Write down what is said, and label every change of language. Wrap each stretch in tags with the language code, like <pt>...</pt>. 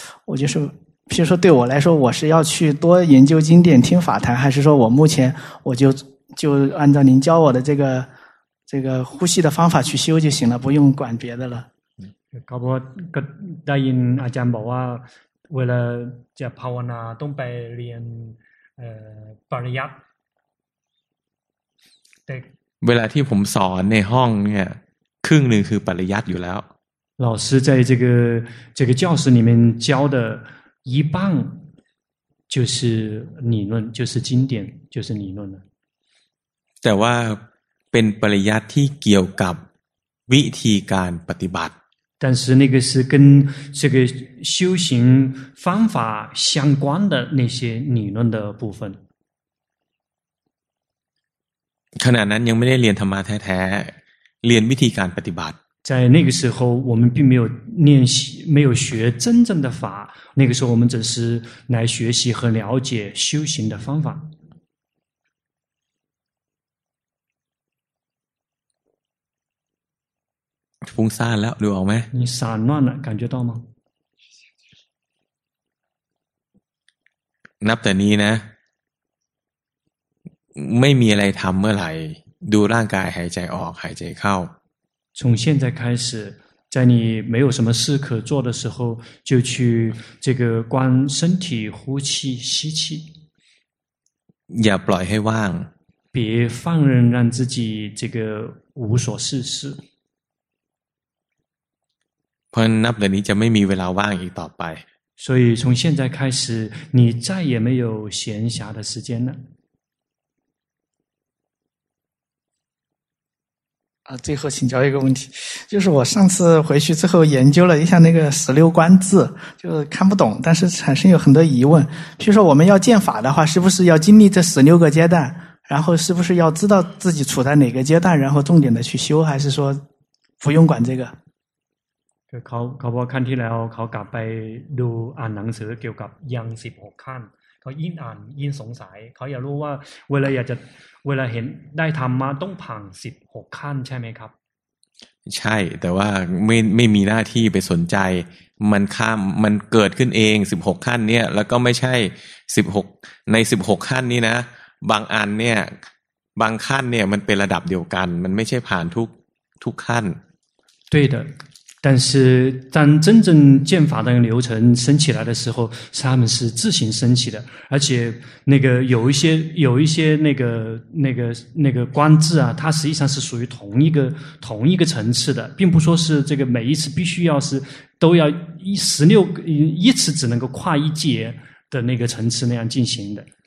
<zh>我就是譬如说对我来说，我是要去多研究经典听法坛，还是说我目前我就按照您教我的这个呼吸的方法去修就行了，不用管别的了。嗯，刚才答应阿江宝啊，为了在帕瓦纳东北连ปริยัติ</zh> <th>เวลาที่ผมสอนในห้องเนี่ยครึ่งหนึ่งคือปริยัติอยู่แล้ว</th> <zh>老师在这个教室里面教的一半就是理论就是经典就是理论</zh> <th>แต่ว่าเป็นปริยัติที่เกี่ยวกับวิธีการปฏิบัติ</th> <zh>但是那个是跟这个修行方法相关的那些理论的部分。</zh> <th>ขณะนั้นยังไม่ได้เรียนธรรมะแท้ๆเรียนวิธีการปฏิบัติ</th> <zh>在那个时候我们并没有练习没有学真正的法那个时候我们只是来学习和了解修行的方法</zh> <th>ฟุ้งซ่านแล้วดูออกไหม</th> <zh>你散乱了感觉到吗</zh> <th>นับแต่นี้นะไม่มีอะไรทำเมื่อไหร่ดูร่างกายหายใจออกหายใจเข้า</th> <zh>从现在开始在你没有什么事可做的时候就去这个观身体呼气吸气</zh> <th>อย่าปล่อยให้ว่าง</th> <zh>别放任让自己这个无所事事</zh> <th>เพราะนับแต่นี้จะไม่มีเวลาว่างอีกต่อไป</th> <zh>所以从现在开始你再也没有闲暇的时间了最后请教一个问题就是我上次回去之后研究了一下那个十六观字就是看不懂但是产生有很多疑问譬如说我们要见法的话是不是要经历这十六个阶段然后是不是要知道自己处在哪个阶段然后重点的去修还是说不用管这个</zh> <th>เขาบอกขั้นที่แล้วเขากลับไปดูอ่านหนังสือเกี่ยวกับยัง16ขั้นเขายิ่งอ่านยิ่งสงสัยเขาอยากรู้ว่าเวลาอยากจะเวลาเห็นได้ธรรมะต้องผ่าน16ขั้นใช่ไหมครับ ใช่แต่ว่าไม่มีหน้าที่ไปสนใจมันข้ามมันเกิดขึ้นเอง16ขั้นเนี่ยแล้วก็ไม่ใช่16ใน16ขั้นนี้นะบางอันเนี่ยบางขั้นเนี่ยมันเป็นระดับเดียวกันมันไม่ใช่ผ่านทุกขั้น</th> <zh>对的但是当真正剑法的流程升起来的时候他们是自行升起的而且那个有一些那个观字啊它实际上是属于同一个层次的并不说是这个每一次必须要是都要16次只能够跨一节的那个层次那样进行的。</zh>